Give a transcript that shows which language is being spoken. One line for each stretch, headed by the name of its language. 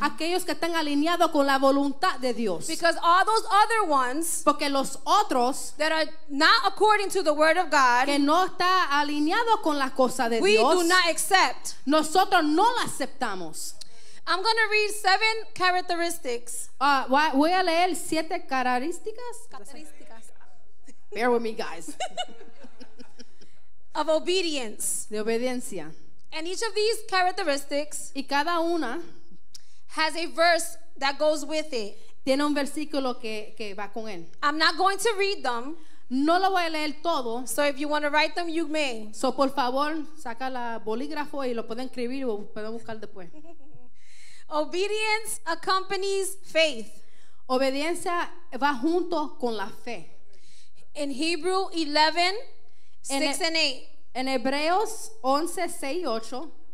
Spanish: Aquellos que están alineados con la voluntad de Dios.
English: Because all those other ones,
Spanish: porque los otros,
English: that are not according to the word of God,
Spanish: que no está alineado con la cosa de
English: we
Spanish: Dios,
English: do not accept.
Spanish: Nosotros no la aceptamos.
English: I'm going to read 7 characteristics.
Spanish: Voy a leer 7 características.
English: Bear with me, guys. Of obedience.
Spanish: De obediencia.
English: And each of these characteristics,
Spanish: y cada una,
English: has a verse that goes with it.
Spanish: Tiene un versículo que va con él.
English: I'm not going to read them.
Spanish: No lo voy a leer todo.
English: So if you want to write them, you may.
Spanish: So por favor, saca la bolígrafo y lo pueden escribir o pueden buscar después.
English: Obedience accompanies faith.
Spanish: Obediencia va junto con la fe.
English: In Hebrew 11, 6 and 8.
Spanish: En Hebreos 11, 6 y 8.